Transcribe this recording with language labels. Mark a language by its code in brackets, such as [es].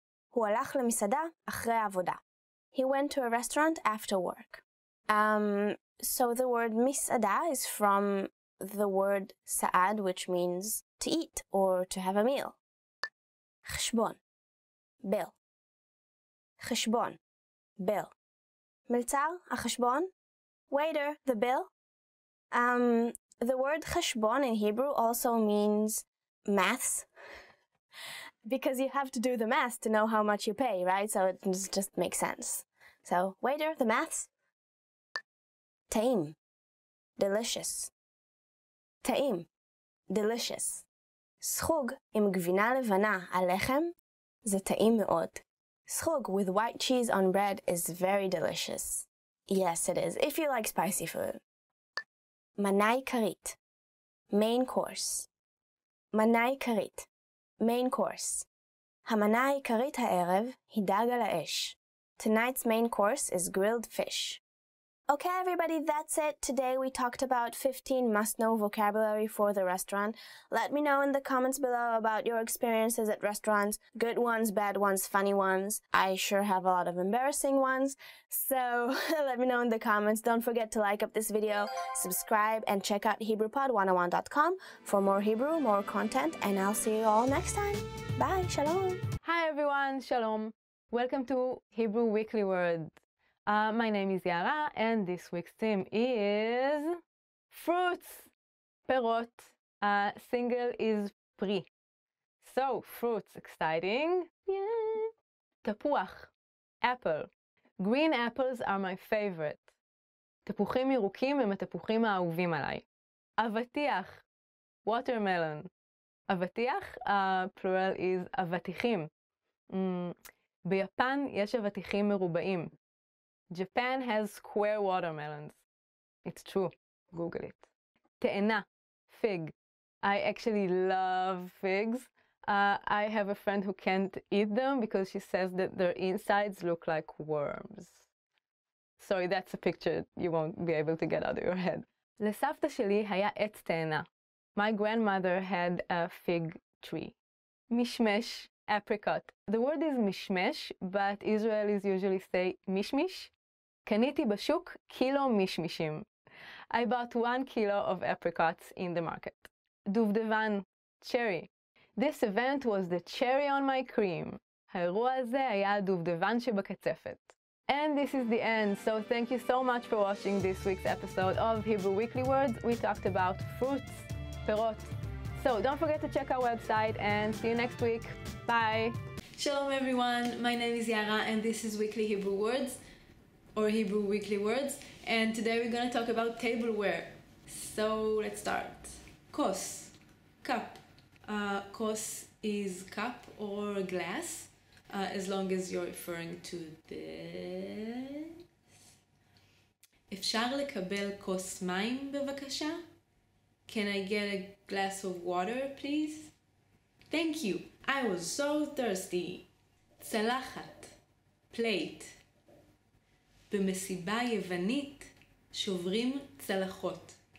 [he] הוא הלך למסעדה אחרי העבודה. [en] He went to a restaurant after work. So the word מסעדה is from the word סעד, which means to eat or to have a meal. [he] חשבון, [en] bill. [he] חשבון, [en] bill. [he] מלצר, החשבון? [en] Waiter, the bill. The word חשבון in Hebrew also means maths, because you have to do the math to know how much you pay, right? So it just makes sense. So, waiter, the maths. [he] טעים, [en] delicious. [he] טעים, [en] delicious. [he] סחוג עם גבינה לבנה על לחם זה טעים מאוד. [en] סחוג with white cheese on bread is very delicious. Yes, it is, if you like spicy food. [he] מנה עיקרית. [en] Main course. [he] מנה עיקרית. [en] Main course. [he] המנה העיקרית הערב היא דג על האש. [en] Tonight's main course is grilled fish. Okay, everybody, that's it. Today we talked about 15 must-know vocabulary for the restaurant. Let me know in the comments below about your experiences at restaurants. Good ones, bad ones, funny ones. I sure have a lot of embarrassing ones. So let me know in the comments. Don't forget to like up this video, subscribe, and check out HebrewPod101.com for more Hebrew, more content, and I'll see you all next time. Bye, shalom. Hi, everyone. Shalom. Welcome to Hebrew Weekly Words. My name is Yara, and this week's theme is fruits, perot. Single is pri. So, fruits, exciting. Yeah. Tapuach, apple. Green apples are my favorite. [he] תפוחים ירוקים הם התפוחים האהובים עליי. [en] אבטיח, watermelon. אבטיח, plural is אבטיחים. [he] ביפן יש אבטיחים מרובעים. [en] Japan has square watermelons. It's true. Google it. Te'ena, fig. I actually love figs. I have a friend who can't eat them because she says that their insides look like worms. Sorry, that's a picture you won't be able to get out of your head. [he] לסבתא שלי היה עץ תאנה. [en] My grandmother had a fig tree. Mishmesh, apricot. The word is mishmesh, but Israelis usually say mishmish. [he] קניתי בשוק קילו מישמישים. [en] I bought 1 kilo of apricots in the market. דובדבן, cherry. This event was the cherry on my cream. [he] האירוע הזה היה הדובדבן שבקצפת. [en] And this is the end, so thank you so much for watching this week's episode of Hebrew Weekly Words. We talked about fruits, perot. So don't forget to check our website and see you next week. Bye. Shalom everyone, my name is Yara and this is Weekly Hebrew Words. Or Hebrew weekly words, and today we're gonna talk about tableware. So let's start. Kos, cup. Kos is cup or glass, as long as you're referring to this. [he] אפשר לקבל כוס מים בבקשה? [en] Can I get a glass of water, please? Thank you, I was so thirsty. צלחת, plate. [he] במסיבה יוונית שוברים צלחות.